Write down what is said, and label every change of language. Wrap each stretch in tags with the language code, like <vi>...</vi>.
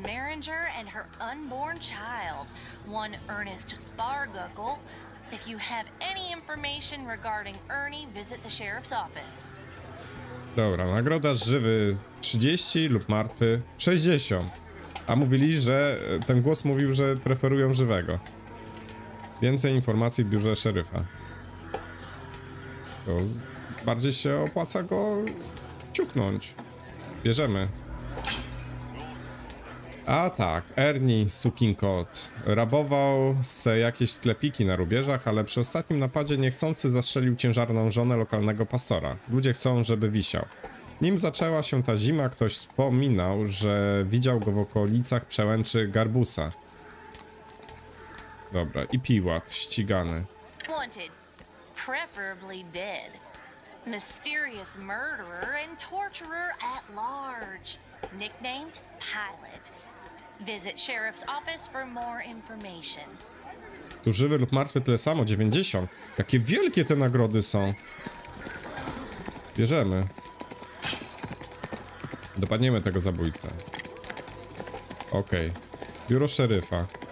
<en>Maringer and her unborn child, one Ernest Barguckle. If you have any information regarding Ernie, visit the sheriff's office.</en> <pl>Dobra, nagroda żywy 30 lub martwy 60. A mówili, że ten głos mówił, że preferują żywego. Więcej informacji w biurze szeryfa. To bardziej się opłaca go ciuknąć. Bierzemy. A tak, Ernie, sukinkot, rabował se jakieś sklepiki na rubieżach, ale przy ostatnim napadzie niechcący zastrzelił ciężarną żonę lokalnego pastora. Ludzie chcą, żeby wisiał. Nim zaczęła się ta zima, ktoś wspominał, że widział go w okolicach przełęczy Garbusa. Dobra, i Piłat, ścigany.</pl> <en>Wanted, preferably dead. Mysterious murderer and torturer at large. Nicknamed Pilot. Visit sheriff's office for more information.</en> <pl>Tu żywy lub martwy tyle samo, 90. Jakie wielkie te nagrody są. Bierzemy. Dopadniemy tego zabójcę. Okej. Okay. Biuro szeryfa.</pl>